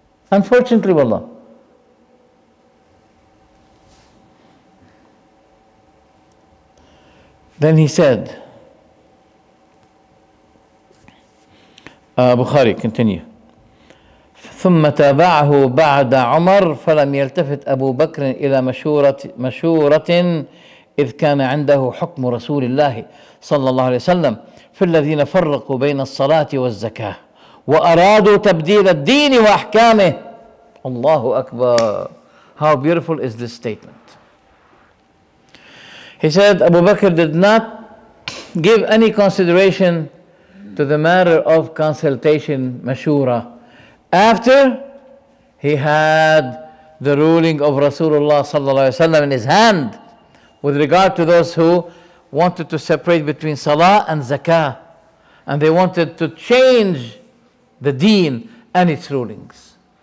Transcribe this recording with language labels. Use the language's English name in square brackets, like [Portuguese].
[English] Unfortunately, wallah. Then he said, Bukhari, continue. [Arabic] ثم تابعه بعد عمر فلم يلتفت أبو بكر إلى مشورة إذ كان عنده حكم رسول الله صلى الله عليه وسلم في الذين فرقوا بين الصلاة والزكاة وأرادوا تبديل الدين وأحكامه. الله أكبر. [English] How beautiful is this statement? He said Abu Bakr did not give any consideration to the matter of consultation, mashura, after he had the ruling of Rasulullah sallallahu alayhi wa sallam in his hand with regard to those who wanted to separate between salah and zakah, and they wanted to change the deen and its rulings.